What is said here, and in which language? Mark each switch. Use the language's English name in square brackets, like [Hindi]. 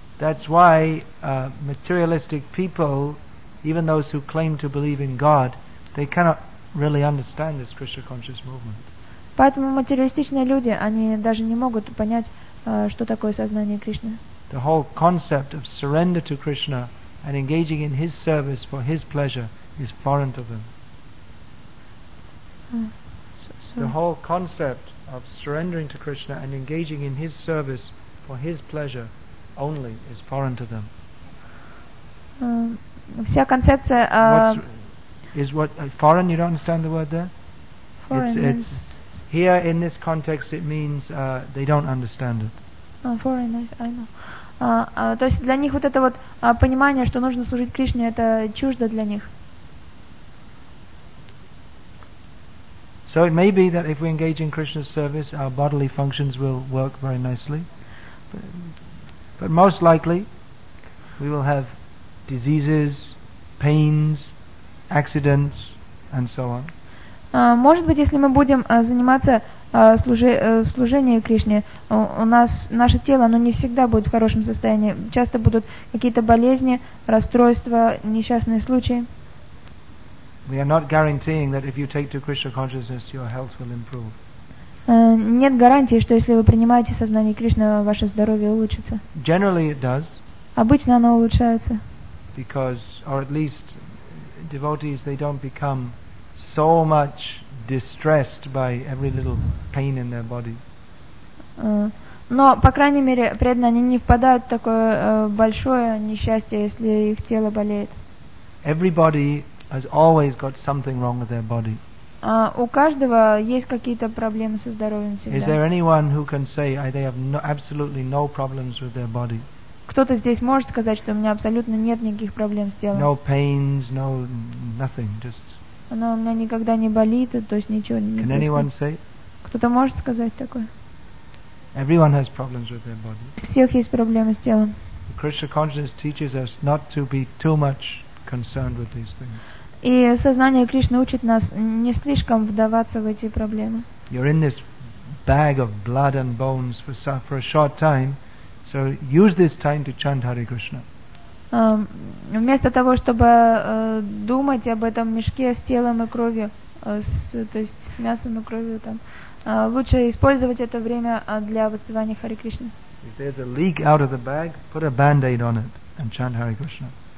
[English] That's why materialistic people, even those who claim to believe in God, they cannot really understand this Krishna conscious movement. [Russian] Поэтому материалистичные люди, они даже не могут понять, что такое сознание Кришны. [English] The whole concept of surrender to Krishna and engaging in his service for his pleasure is foreign to them. The whole concept of surrendering to Krishna and engaging in his service for his pleasure only is foreign to them. [Russian] Вся концепция [English] Is what foreign? You don't understand the word there. Foreign. It's here in this context. It means they don't understand it. Foreign. I know. [Russian] То есть для них вот это вот понимание, что нужно служить Кришне, это чуждо для них. [English] So it may be that if we engage in Krishna's service, our bodily functions will work very nicely. But most likely, we will have diseases, pains, accidents, and so on. [Russian] Может быть, если мы будем заниматься служение Кришне, у нас наше тело, оно не всегда будет в хорошем состоянии. Часто будут какие-то болезни, расстройства, несчастные случаи. [English] We are not guaranteeing that if you take to Krishna consciousness, your health will improve. [Russian] Нет гарантии, что если вы принимаете сознание Кришны, ваше здоровье улучшится. [English] Generally it does. [Russian] Обычно оно улучшается. [English] Because, or at least, devotees, they don't become so much distressed by every little pain in their body. [Russian] Но, по крайней мере, преданные, они не впадают в такое большое несчастье, если их тело болеет. [English] Everybody has always got something wrong with their body. [Russian] У каждого есть какие-то проблемы со здоровьем всегда. [English] Is there anyone who can say they have absolutely no problems with their body? [Russian] Кто-то здесь может сказать, что у меня абсолютно нет никаких проблем с телом? [English] No pains, no nothing, just. [Russian] Оно у меня никогда не болит, то есть ничего не. [English] Can anyone say? [Russian] Кто-то может сказать такое? [English] Everyone has problems with their body. [Russian] У всех есть проблемы с телом. [English] Krishna consciousness teaches us not to be too much concerned with these things. [Russian] И сознание Кришны учит нас не слишком вдаваться в эти проблемы. [English] You're in this bag of blood and bones for a short time, so use this time to chant Hare Krishna. [Russian] Вместо того, чтобы думать об этом мешке с телом и кровью, то есть с мясом и кровью, там, лучше использовать это время для воспевания Hare Krishna. [English] If there's a leak out of the bag, put a band-aid on it and chant Hare Krishna.